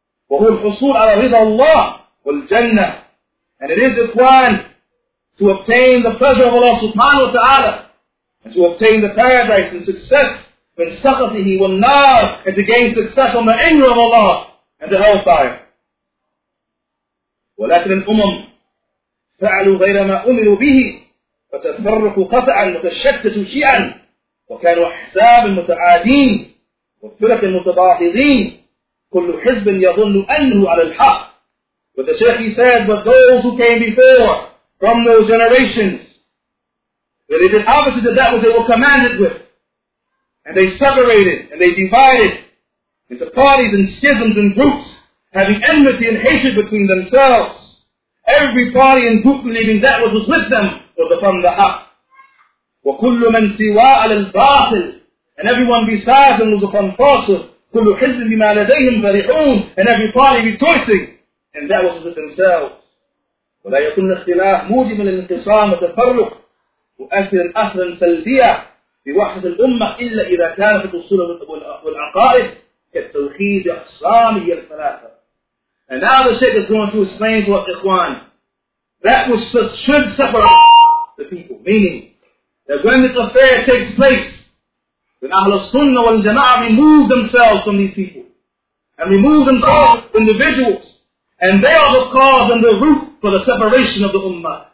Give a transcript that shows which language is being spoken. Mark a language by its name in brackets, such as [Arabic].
[Arabic] وَهُوَ الْحُصُولُ عَلَىٰ رِضَى اللَّهِ وَالْجَنَّةِ [English] And it is the plan to obtain the pleasure of Allah subhanahu wa ta'ala and to obtain the paradise and success [Arabic] من سخطه والنار [English] and to gain success on the anger of Allah and the hellfire. [Arabic] ولكن الأمم فعلوا غير ما أمروا به فتفرقوا قطعا وتشتتوا شيعا وكانوا أحزاب متعادين وفرق متباحثين كل حزب يظن أنه على الحق. [English] But the Shaykh said, but those who came before from those generations, that they did opposite to that which they were commanded with. And they separated, and they divided into parties and schisms and groups, having enmity and hatred between themselves. Every party and group believing that which was with them was upon the haq. [Arabic] وَكُلُّ مَنْ سِوَاءَ لِلْبَاطِلِ [English] And everyone besides them was upon falsehood. [Arabic] كُلُّ حِزْبٍ بِمَا لَدَيْهِمْ فَرِحُونَ [English] And every party rejoicing, and that was with themselves. [Arabic] وَلَا يَكُنَّ اخْتِلَافٌ مُوجِبًا لِلْانْقِسَامِ وَتَفَرُّقٍ مُؤَثِّرًا أَثْرًا سَلْبِيًا بوحدة الأمة إلا إذا كانت الأصول والعقائد كالتوحيد الصامي الثلاثة. [English] And now the Shaykh is going to explain to us, Ikhwan, that which should separate the people. Meaning, that when this affair takes place, then Ahl al-Sunnah wal Jama'ah remove themselves from these people. And remove themselves from individuals. And they are the cause and the root for the separation of the Ummah.